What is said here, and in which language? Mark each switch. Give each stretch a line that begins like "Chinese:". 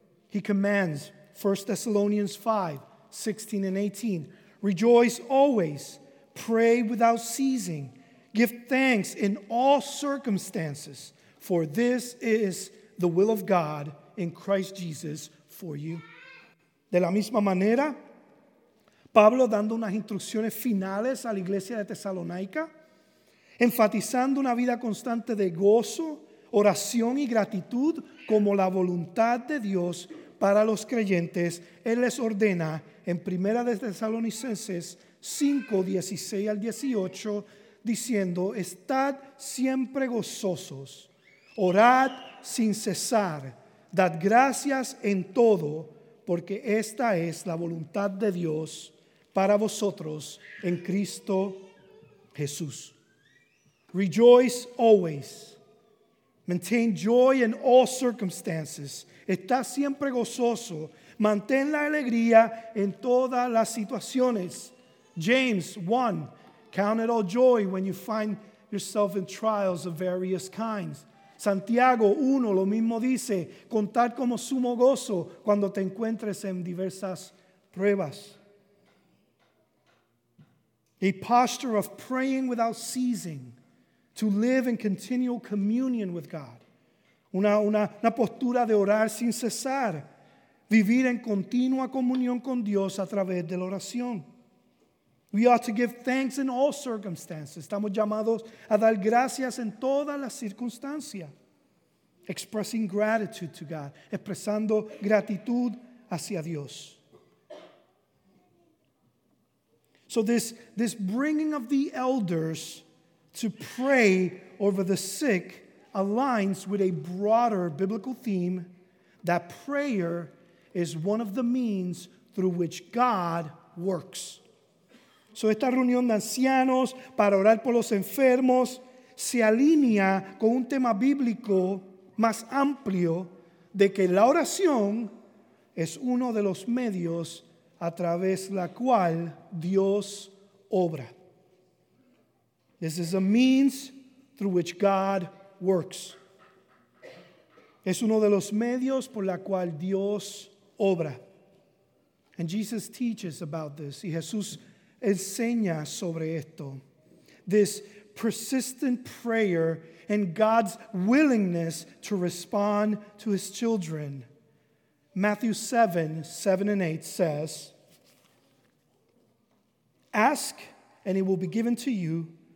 English: He commands 1 Thessalonians 5:16 and 18, rejoice always, pray without ceasing, give thanks in all circumstances, for this is the will of God in Christ Jesus for you.
Spanish: De la misma manera, Pablo dando unas instrucciones finales a la iglesia de Tesalónica, enfatizando una vida constante de gozo, oración y gratitud como la voluntad de Dios para los creyentes, él les ordena en Primera de Tesalonicenses 5:16 al 18, diciendo, estad siempre gozosos, orad sin cesar, dad gracias en todo, porque esta es la voluntad de Dios para vosotros en Cristo Jesús.
English: Rejoice always. Maintain joy in all circumstances.
Spanish: Está siempre gozoso. Mantén la alegría en todas las situaciones.
English: James 1, count it all joy when you find yourself in trials of various kinds.
Spanish: Santiago 1, lo mismo dice, contar como sumo gozo cuando te encuentres en diversas pruebas.
English: A posture of praying without ceasing, to live in continual communion with God.
Spanish: Una postura de orar sin cesar, vivir en continua comunión con Dios a través de la oración.
English: We ought to give thanks in all circumstances.
Spanish: Estamos llamados a dar gracias en todas las circunstancias.
English: Expressing gratitude to God.
Spanish: Expresando gratitud hacia Dios.
English: So this bringing of the elders to pray over the sick aligns with a broader biblical theme that prayer is one of the means through which God works.
Spanish: So esta reunión de ancianos para orar por los enfermos se alinea con un tema bíblico más amplio de que la oración es uno de los medios a través la cual Dios obra.
English: This is a means through which God works.
Spanish: Es uno de los medios por la cual Dios obra.
English: And Jesus teaches about this.
Spanish: Y Jesús enseña sobre esto.
English: This persistent prayer and God's willingness to respond to his children. Matthew 7:7-8 says, ask and it will be given to you.